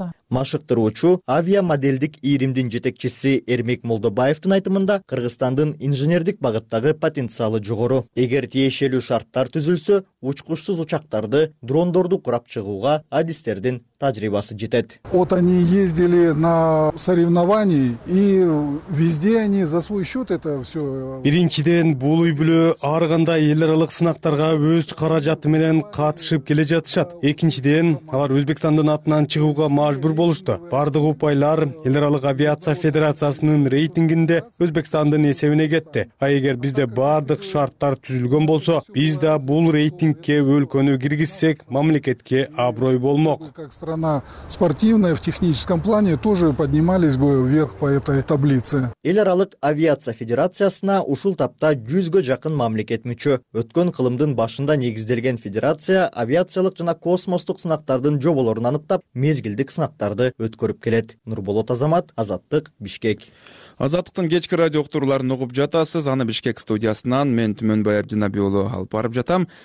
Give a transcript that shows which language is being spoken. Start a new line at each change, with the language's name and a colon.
Kyrgyz: Машыктыруучу авиамоделдик ийримдин жетекчиси Эрмек Молдобаевдин айтымында Кыргызстандын инженердик багыттагы потенциалы жогору. Эгер тиешелүү шарттар түзүлсө, учкучсуз учактарды, дрондорду курап чыгууга адистердин тажрыйбасы жетет.
Russian: Вот они ездили на соревнования и везде они за свой счет это все.
Kyrgyz: Биринчиден бул үй бүлө ар кандай эл аралык сынактарга өз каражаты менен катышып келе жатышат. Экинчиден алар Өзбекстандын атынан чыгууга мажбур болот. болушту. Бардык упайлар Эл аралык авиация федерациясынын рейтингинде Өзбекстандын эсебине кетти. А эгер бизде бардык шарттар түзүлгөн болсо, биз да бул рейтингке өлкөнү киргизсек, мамлекетке аброй болмок.
Russian: Как страна спортивная в техническом плане тоже поднимались бы вверх по этой таблице.
Kyrgyz: Эл аралык авиация федерациясына ушул тапта 100 жакын мамлекет мүчө. Өткөн кылымдын башында негизделген федерация авиациялык жана космостук сынактардын жоболорун аныктап, мезгилдик сынактарды өткөрүп келет. Нурболот Азамат, Азаттык, Бишкек. Азаттыктын кечки радио окутууларын угуп жатасыз. Аны Бишкек студиясынан мен Түмөнбай Абдинаби уулу алып барып жатам.